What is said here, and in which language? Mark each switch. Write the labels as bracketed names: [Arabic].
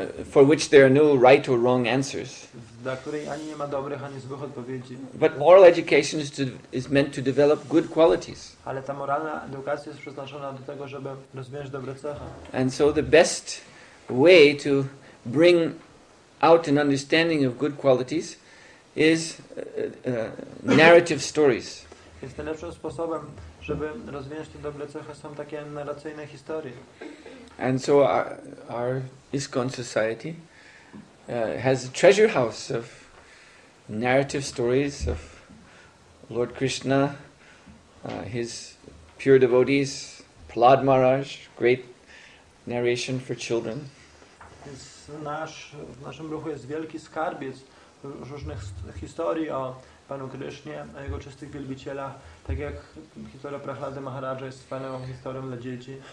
[English] For which there are no right or wrong answers. [Polish] Dla której ani nie ma dobrych, ani złych odpowiedzi. [English] But moral education is meant to develop good qualities. [Polish] Ale ta moralna edukacja jest przeznaczona do tego, żeby rozwijać dobre cechy. [English] And so the best way to bring out an understanding of good qualities is narrative stories. [Polish] Więc najlepszym sposobem, żeby rozwijać te dobre cechy, są takie narracyjne historie. [English] And so our ISKCON society has a treasure house of narrative stories of Lord Krishna, his pure devotees, Prahlad Maharaj, great narration for children. [Polish] W naszym ruchu jest wielki skarbiec różnych historii o Panu Krysznie, o jego czystych wielbicielach, tak jak historia Prahlady Maharaja jest wspaniałą historią dla dzieci.